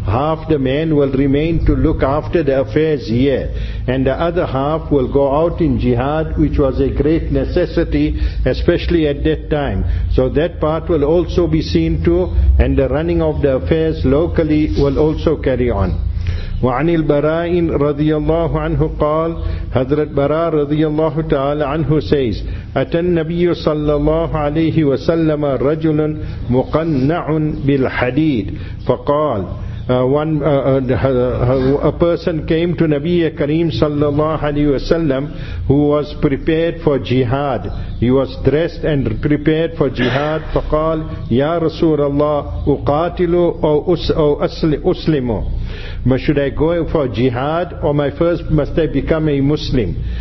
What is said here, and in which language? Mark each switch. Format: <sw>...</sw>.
<en>Half the man will remain to look after the affairs here, and the other half will go out in jihad, which was a great necessity, especially at that time. So that part will also be seen to, and the running of the affairs locally will also carry on.</en> <ar>وعن البراء رضي الله عنه قال حضرت براء رضي الله تعالى عنه</ar> <en>says</en> <ar>أتى النبي صلى الله عليه وسلم رجل مقنع بالحديد فقال.</ar> <en>A person came to Nabi Kareem sallallahu alayhi wa sallam who was prepared for jihad. He was dressed and prepared for jihad.</en> <ar>فقال يا رسول الله أقاتلو أو أسلمو,</ar> <en>should I go for jihad or my first must I become a Muslim?</en>